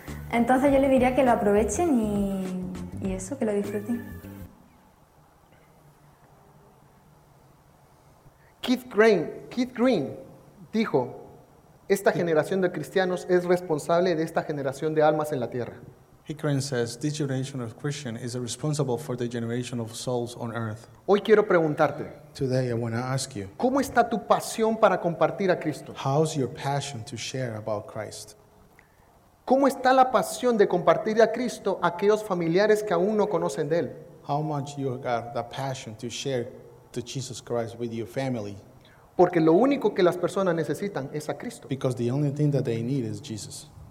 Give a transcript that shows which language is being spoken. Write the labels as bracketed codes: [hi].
[es] Entonces yo le diría que lo aprovechen y eso, que lo disfruten. Keith Green dijo, esta generación de cristianos es responsable de esta generación de almas en la tierra. [en] He Crane says, this generation of Christian is responsible for the generation of souls on earth. [es] Hoy quiero preguntarte. [en] Today I want to ask you. [es] ¿Cómo está tu pasión para compartir a Cristo? [en] How's your passion to share about Christ? [es] ¿Cómo está la pasión de compartir a Cristo a aquellos familiares que aún no conocen de él? [en] How much you got the passion to share to Jesus Christ with your family? [es] Porque lo único que las personas necesitan es a Cristo. [en] Because the only thing that they need is Jesus.